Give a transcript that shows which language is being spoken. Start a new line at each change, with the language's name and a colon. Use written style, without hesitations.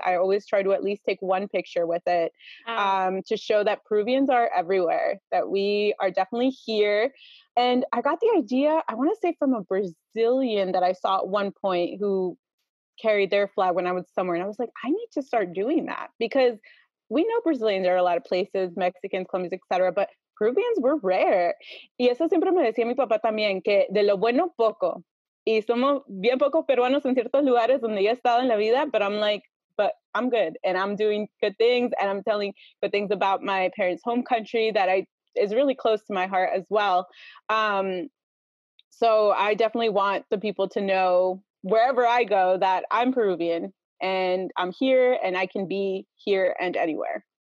English: I always try to at least take one picture with it to show that Peruvians are everywhere, that we are definitely here. And I got the idea, I want to say, from a Brazilian that I saw at one point who carried their flag when I was somewhere. And I was like, I need to start doing that, because we know Brazilians are a lot of places, Mexicans, Colombians, et cetera, but Peruvians were rare.
Spanish: Y eso siempre me decía mi papá también, que de lo bueno poco. Y somos bien pocos peruanos en ciertos lugares donde yo he estado en la vida,
English: but I'm like, but I'm good and I'm doing good things and I'm telling good things about my parents' home country that is really close to my heart as well. So I definitely want the people to know wherever I go that I'm Peruvian and I'm here and I can be here and anywhere.